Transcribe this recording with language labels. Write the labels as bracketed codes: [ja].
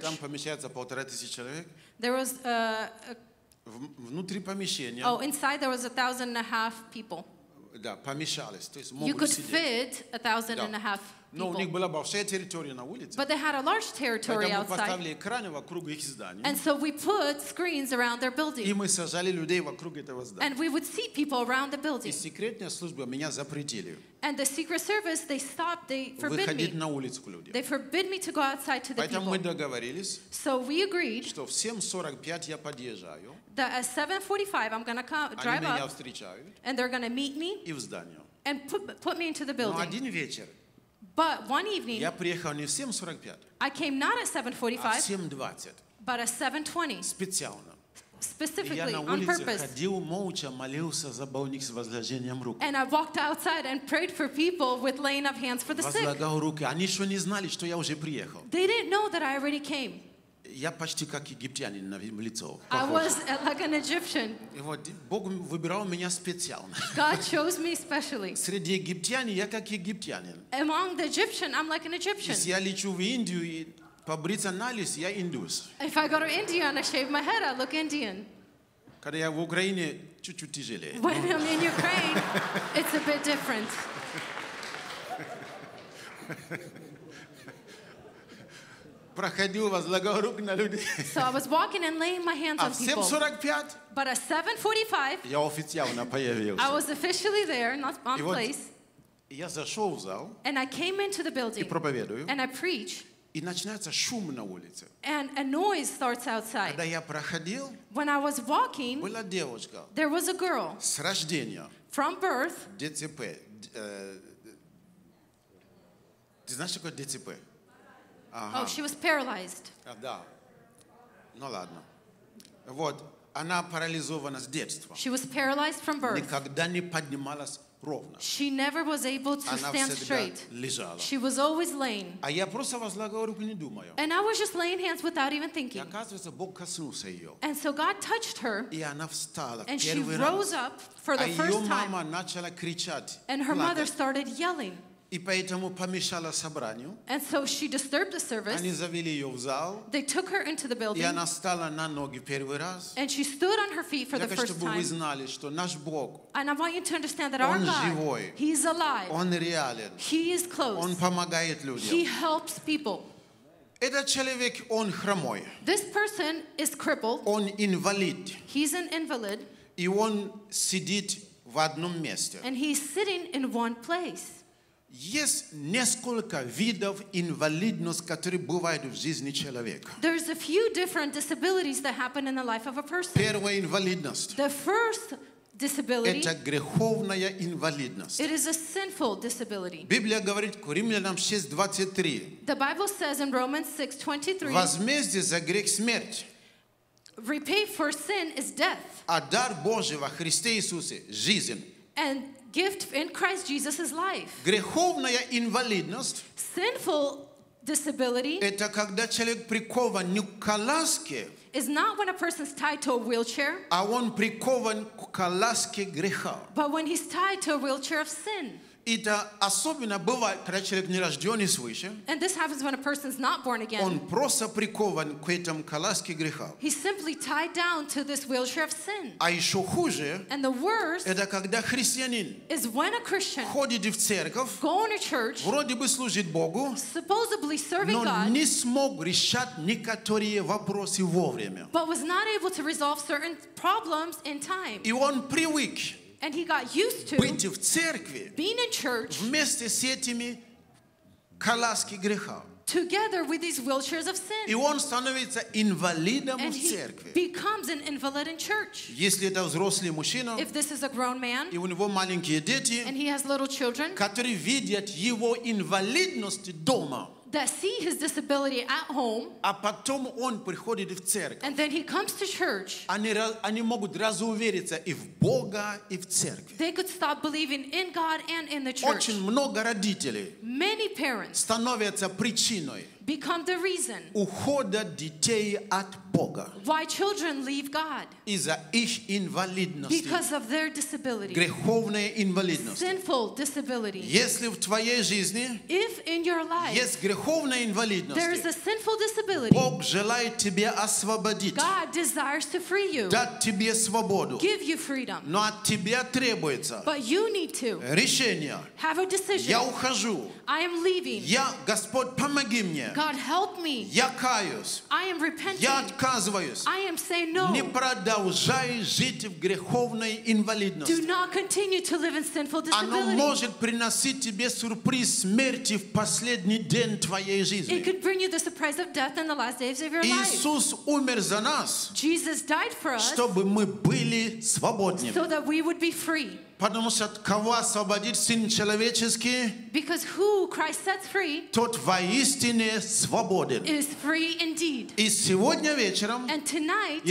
[ru] Там помещается 1500 человек. [en] There was [ru] внутри помещения. [en] Oh, inside there was 1,500 people. [ru] Да, помещались. То есть могут [en] you could [ru] сидеть. [en] Fit 1,500 [ru] да. [en] people. [ru] Но у них была большая территория на улице. [en] But they had a large territory [ru] Поэтому [en] outside. [ru] Поставили экраны вокруг их здания. [en] And so we put screens around their building. [ru] И мы сажали людей вокруг этого здания. [en] And we would see people around the building. [ru] И секретная служба меня запретили. [en] And the secret service, they stopped, they forbid [ru] выходить Выходить на улицу к людям. [en] They forbid me to go outside to the [ru] Поэтому Поэтому мы договорились. [en] So we agreed. [ru] Что в 7:45 я подъезжаю. [en] That at 7:45 I'm gonna come, drive [ru] они [en] up. [ru] Они меня встречают. [en] And they're gonna meet me. [ru] И в здание. [en] And put me into the building. [ru] Но один вечер. [en] But one evening, [ru] я приехал не в 7:45, [en] I came not at 7:45, [ru] а 7:20, [en] but at 7:20. [ru] Специально. [en] Specifically, [ru] и я на улице [en] on purpose. [ru] Ходил, молча молился за больных с возложением рук. [en] And I walked outside and prayed for people with laying of hands for the sick. [ru] Возлагал руки. Они еще не знали, что я уже приехал. [en] They didn't know that I already came. [ru] Я почти как египтянин на лицо. [en] I was like an Egyptian. [ru] И вот Бог выбирал меня специально. [en] God chose me specially. [ru] Среди египтян я как египтянин. [en] Among the Egyptians, I'm like an Egyptian. [ru] Если я лечу в Индию и побриться на лис, я индус. [en] If I go to India and I shave my head, I look Indian. [ru] Когда я в Украине, чуть-чуть тяжелее. [en] When I'm in Ukraine, it's a bit different. [ru] Проходил, возлагал руки на людей. [en] So I was walking and laying my hands on people. [ru] А в 7:45? [en] But at 7:45, [ru] я официально появился. [en] I was officially there, not on place. [ru] Я зашел в зал. [en] And I came into the building. [ru] И проповедую. [en] And I preach. [ru] И начинается шум на улице. [en] And a noise starts outside. [ru] Когда я проходил, [en] when I was walking, [ru] была девочка. [en] There was a girl. [ru] С рождения. [en] From birth. [ru] ДЦП. Ты знаешь, что такое ДЦП? [en] Uh-huh. Oh, she was paralyzed. [ru] Да. Ну ладно. Вот, она парализована с детства. [en] She was paralyzed from birth. [ru] Никогда не поднималась ровно. [en] She never was able to stand straight. [ru] Она всегда лежала. [en] She was always laying. [ru] А я просто возлагал руку, не думая. [en] And I was just laying hands without even thinking. [ru] И оказывается, Бог коснулся ее. [en] And so God touched her. [ru] И она встала. [en] And she rose up for the first time. [ru] А ее мама начала кричать. [en] And her mother started yelling. [ru] И поэтому помешала собранию. [en] And so she disturbed the service. [ru] Они завели ее в зал. [en] They took her into the building. [ru] И она стала на ноги первый раз. [en] And she stood on her feet for [ru] Я [en] the first [ru] Чтобы вы знали, что наш Бог. [en] And I want you to understand that [ru] Он [en] our God. [ru] Живой. [en] He's alive. [ru] Он реален. [en] He is close. [ru] Он помогает людям. [en] He helps people. [ru] Этот человек, он хромой. [en] This person is crippled. [ru] Он инвалид. [en] He's an invalid. [ru] И он сидит в одном месте. [en] And he's sitting in one place. [ru] Есть несколько видов инвалидности, которые бывают в жизни человека. [en] There's a few different disabilities that happen in the life of a person. [ru] Первая инвалидность. [en] The first disability. [ru] Это греховная инвалидность. [en] It is a sinful disability. [ru] Библия говорит к Римлянам 6:23. [en] The Bible says in Romans 6:23. [ru] Возмездие за грех — смерть. [en] Repay for sin is death. [ru] А дар Божий во Христе Иисусе — жизнь. [en] And gift in Christ Jesus is life. [ru] Греховная инвалидность. [en] Sinful disability. [ru] Это когда человек прикован не к коляске. [en] is not when a person is tied to a wheelchair, [ru] а он прикован к коляске греха. [en] But when he's tied to a wheelchair of sin. [ru] Это особенно бывает, когда человек не рожден свыше. [en] And this happens when a person is not born again. [ru] Он просто прикован к этому коляске греха. [en] He's simply tied down to this wheelchair of sin. [ru] А еще хуже, [en] and the worst, [ru] это когда христианин [en] is when a Christian [ru] ходит в церковь, [en] going to church, [ru] вроде бы служит Богу, [en] supposedly serving [ru] но [en] God, [ru] не смог решать некоторые вопросы вовремя. [en] But was not able to resolve certain problems in time. [ru] И он привык. [en] And he got used to [ru] быть в церкви, [en] being in church, [ru] вместе с этими коляски греха, [en] together with these wheelchairs of sin. [ru] И он становится инвалидом [en] and [ru] в церкви. [en] He becomes an invalid in church. [ru] Если это взрослый мужчина, [en] if this is a grown man, [ru] и у него маленькие дети, [en] and he has little children, [ru] которые видят его инвалидность дома, [en] that see his disability at home, [ru] а потом он приходит в церковь, [en] and then he comes to church, [ru] они могут разувериться и в Бога, и в церкви. [en] They could stop believing in God and in the church. [ru] Очень много родителей, [en] many parents, [ru] становятся причиной, [en] become the reason, [ru] ухода детей от Бога, [en] why children leave God, [ru] из-за их инвалидности, [en] because of their disability, [ru] греховная инвалидность, [en] sinful disability. [ru] Если в твоей жизни, [en] if in your life, [ru] есть греховная инвалидность, [en] there is a sinful disability, [ru] Бог желает тебя освободить, [en] God desires to free you, [ru] дать тебе свободу, [en] give you freedom, [ru] но от тебя требуется, [en] but you need to, [ru] решение, [en] have a decision, [ru] я ухожу, [en] I am leaving, [ru] я, Господь, помоги мне, [en] God help me. [ru] Я каюсь. [en] I am repenting. [ru] Я отказываюсь. [en] I am saying no. [ru] Не продолжай жить в греховной инвалидности. [en] Do not continue to live in sinful disability. [ru] Оно может приносить тебе сюрприз смерти в последний день твоей жизни. [en] It could bring you the surprise of death in the last days of your life. [ru] Иисус умер за нас. [en] Jesus died for us. [ru] Чтобы мы были свободными. [en] So that we would be free. [ru] Потому что от кого освободить Сын Человеческий, [en] because who Christ sets free, [ru] тот воистине свободен. [en] Is free indeed. [ru] И сегодня вечером, [en] and tonight,